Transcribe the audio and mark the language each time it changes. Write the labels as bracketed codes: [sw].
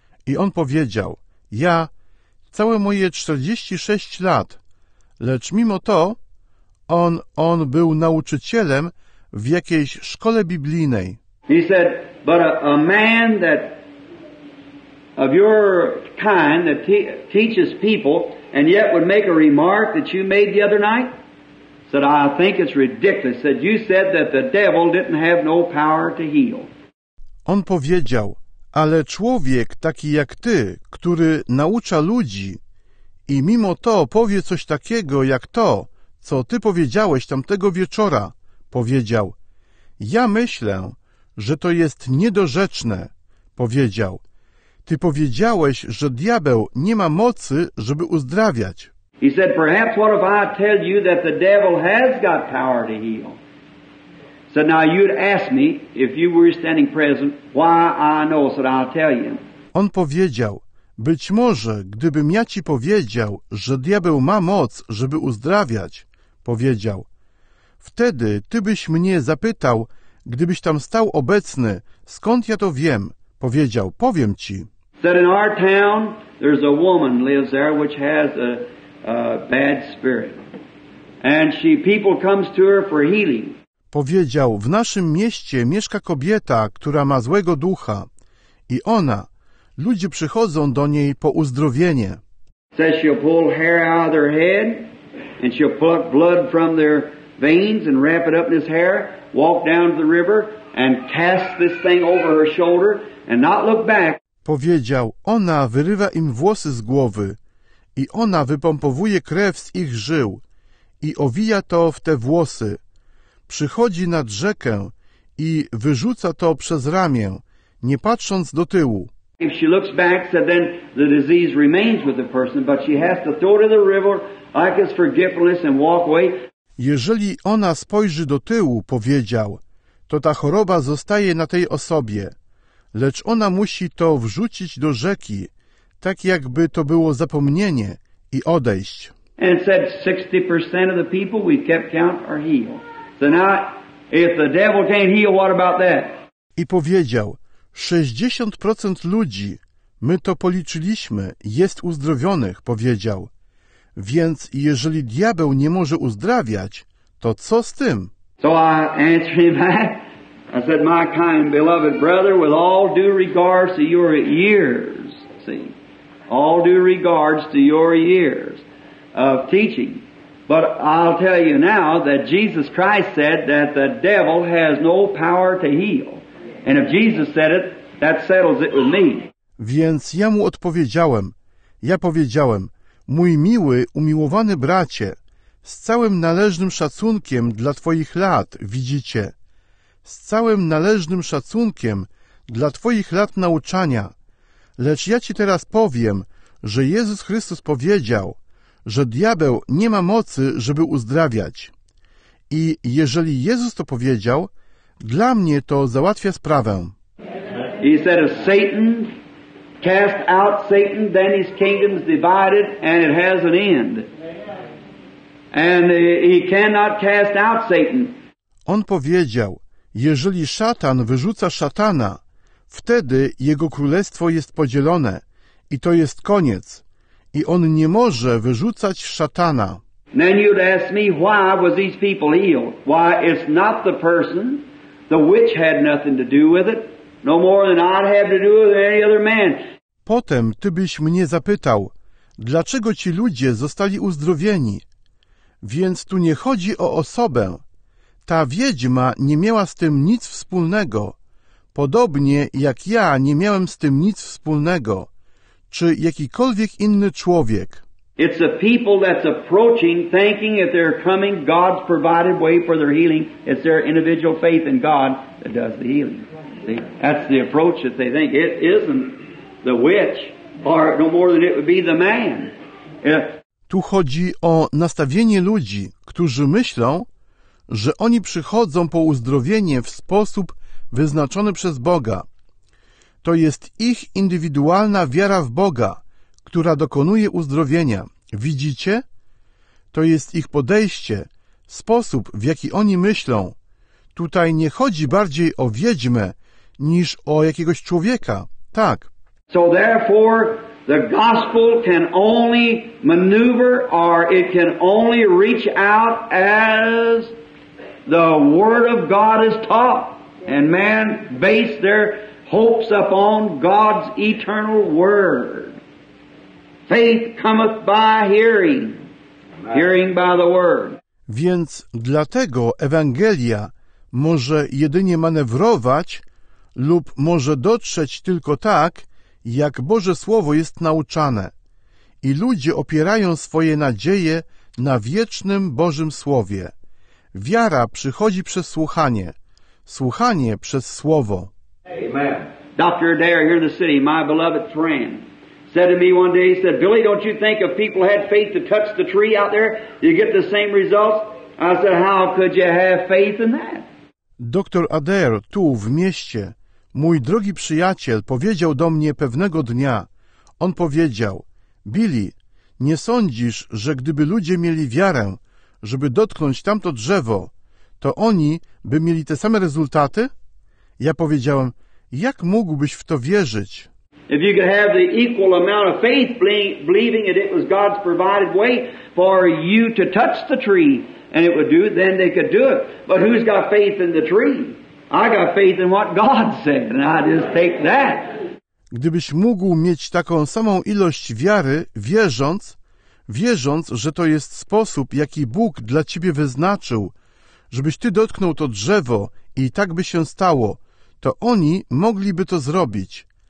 [pl] I on powiedział, ja całe moje 46 lat, lecz mimo to on był nauczycielem w jakiejś szkole biblijnej. [en] He said, but a man that of your kind that teaches people and yet would make a remark that you made the other night? Said, I think it's ridiculous. Said, you said that the devil didn't have no power to heal. [pl] On powiedział, ale człowiek taki jak ty, który naucza ludzi i mimo to powie coś takiego jak to, co ty powiedziałeś tamtego wieczora, powiedział, ja myślę, że to jest niedorzeczne, powiedział. Ty powiedziałeś, że diabeł nie ma mocy, żeby uzdrawiać. [en] He said, perhaps what if I tell you that the devil has got power to heal? Said, now you'd ask me, if you were standing present, why I know, said, I'll tell you. [pl] On powiedział, być może, gdybym ja ci powiedział, że diabeł ma moc, żeby uzdrawiać, powiedział. Wtedy ty byś mnie zapytał, gdybyś tam stał obecny, skąd ja to wiem? Powiedział, powiem ci. [en] Said in our town, there's a woman lives there which has a bad spirit. And she, people comes to her for healing. [pl] Powiedział, w naszym mieście mieszka kobieta, która ma złego ducha. I ona, ludzie przychodzą do niej po uzdrowienie. [en] Said she'll pull hair out of their head, and she'll pluck blood from their veins and wrap it up in his hair. Walk down to the river and cast this thing over her shoulder and not look back. [pl] Powiedział, ona wyrywa im włosy z głowy i ona wypompowuje krew z ich żył i owija to w te włosy. Przychodzi nad rzekę i wyrzuca to przez ramię, nie patrząc do tyłu. [en] If she looks back, so then the disease remains with the person, but she has to throw it in the river like it's forgetfulness and walk away. [pl] Jeżeli ona spojrzy do tyłu, powiedział, to ta choroba zostaje na tej osobie, lecz ona musi to wrzucić do rzeki, tak jakby to było zapomnienie, i odejść. [en] And said 60% of the people we kept count are healed. So now, if the devil can't heal, what about that? [pl] I powiedział, 60% ludzi, my to policzyliśmy, jest uzdrowionych, powiedział. Więc jeżeli diabeł nie może uzdrawiać, to co z tym? [en] So I answered him back. I said, my kind beloved brother, with all due regards to your years, see, all due regards to your years of teaching. But I'll tell you now that Jesus Christ said that the devil has no power to heal. And if Jesus said it, that settles it with me. [pl] Więc ja mu odpowiedziałem. Ja powiedziałem, mój miły, umiłowany bracie, z całym należnym szacunkiem dla twoich lat, widzicie, z całym należnym szacunkiem dla twoich lat nauczania, lecz ja ci teraz powiem, że Jezus Chrystus powiedział, że diabeł nie ma mocy, żeby uzdrawiać. I jeżeli Jezus to powiedział, dla mnie to załatwia sprawę. [en] He said, if Satan cast out Satan, then his kingdom's divided and it has an end. And he cannot cast out Satan. [pl] On powiedział, jeżeli szatan wyrzuca szatana, wtedy jego królestwo jest podzielone i to jest koniec. I on nie może wyrzucać szatana. [en] Then you'd ask me, why was these people healed? Why, it's not the person. The witch had nothing to do with it. No more than I'd have to do with any other man. [pl] Potem ty byś mnie zapytał, dlaczego ci ludzie zostali uzdrowieni? Więc tu nie chodzi o osobę. Ta wiedźma nie miała z tym nic wspólnego. Podobnie jak ja nie miałem z tym nic wspólnego. Czy jakikolwiek inny człowiek. [en] It's the people that's approaching, thinking if they're coming, God's provided way for their healing. It's their individual faith in God that does the healing. See? That's the approach that they think. It isn't the witch, or no more than it would be the man. If... [pl] Tu chodzi o nastawienie ludzi, którzy myślą, że oni przychodzą po uzdrowienie w sposób wyznaczony przez Boga. To jest ich indywidualna wiara w Boga, która dokonuje uzdrowienia. Widzicie? To jest ich podejście, sposób, w jaki oni myślą. Tutaj nie chodzi bardziej o wiedźmę niż o jakiegoś człowieka. Tak. [en] So therefore the gospel can only maneuver, or it can only reach out as the word of God is taught, and man base their hopes upon God's eternal word. Faith cometh by hearing, hearing by the word. [pl] Więc dlatego Ewangelia może jedynie manewrować lub może dotrzeć tylko tak, jak Boże Słowo jest nauczane. I ludzie opierają swoje nadzieje na wiecznym Bożym Słowie. Wiara przychodzi przez słuchanie. Słuchanie przez Słowo. Amen. [en] Dr. Adair here in the city, my beloved friend, said to me one day, he said, Billy, don't you think if people had faith to touch the tree out there, you get the same results? I said, how could you have faith in that? [pl] Dr. Adair, tu w mieście, mój drogi przyjaciel, powiedział do mnie pewnego dnia, on powiedział, Billy, nie sądzisz, że gdyby ludzie mieli wiarę, żeby dotknąć tamto drzewo, to oni by mieli te same rezultaty? Ja powiedziałem, jak mógłbyś w to wierzyć? [en] If you could have the equal amount of faith believing that it was God's provided way for you to touch the tree and it would do it, then they could do it. But who's got faith in the tree? I got faith in what God said, and I just take that. [pl] Gdybyś mógł mieć taką samą ilość wiary, wierząc, że to jest sposób, jaki Bóg dla ciebie wyznaczył, żebyś ty dotknął to drzewo i tak by się stało, to oni mogliby to zrobić.